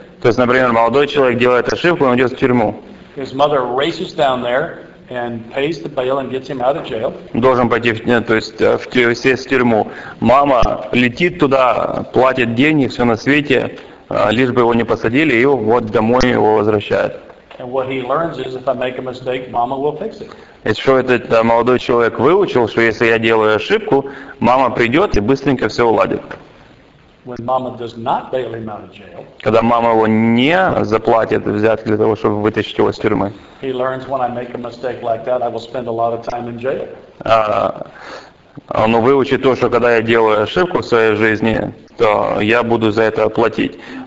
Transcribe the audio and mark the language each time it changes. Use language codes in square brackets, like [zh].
[ru] То есть, например, молодой человек делает ошибку, он идет в тюрьму. [en] His mother races down there and pays the bail and gets him out of jail. [ru] Должен пойти, то есть в тюрьму. Мама летит туда, платит деньги, все на свете, лишь бы его не посадили, и вот домой его возвращают. [en] And what he learns is, if I make a mistake, mama will fix it. [ru] И что этот молодой человек выучил, что если я делаю ошибку, мама придет и быстренько все уладит. [en] When mama does not bail him out of jail, [ru] когда мама его не заплатит взятки для того, чтобы вытащить его из тюрьмы. [en] He learns when I make a mistake like that, I will spend a lot of time in jail. [ru] Он выучит то, что когда я делаю ошибку в своей жизни, то я буду за это платить.